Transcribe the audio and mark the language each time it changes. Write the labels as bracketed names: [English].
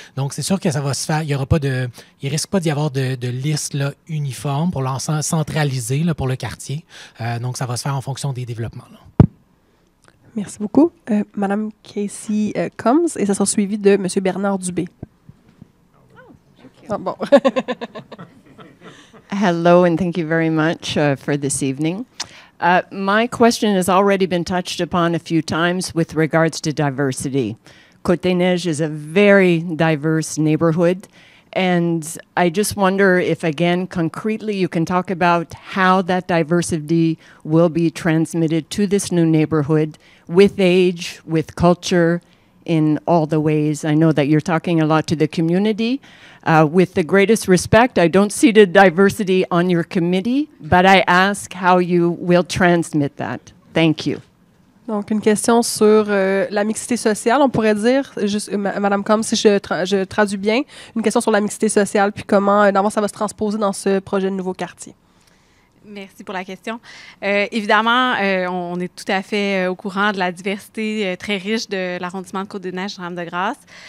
[French] Donc c'est sûr que ça va se faire, il risque pas d'y avoir de liste là, uniforme pour l'ensemble centralisé là, pour le quartier. Donc ça va se faire en fonction des développements. Là. Merci beaucoup. Madame Casey Combs, et ça sera suivi de M. Bernard Dubé. Oh, bon. [English] Hello, and thank you very much for this evening. My question has already been touched upon a few times with regards to diversity. Côte-des-Neiges is a very diverse neighborhood, and I just wonder if, again, concretely, you can talk about how that diversity will be transmitted to this new neighborhood with age, with culture, in all the ways. I know that you're talking a lot to the community. With the greatest respect, I don't see the diversity on your committee, but I ask how you will transmit that. Thank you. [French] Donc, une question sur la mixité sociale, on pourrait dire, juste, Madame Combs, si je traduis bien, une question sur la mixité sociale, puis comment ça va se transposer dans ce projet de nouveau quartier. Merci pour la question. Évidemment, on est tout à fait au courant de la diversité très riche de l'arrondissement de Côte-des-Neiges, Rame-de-Grâce.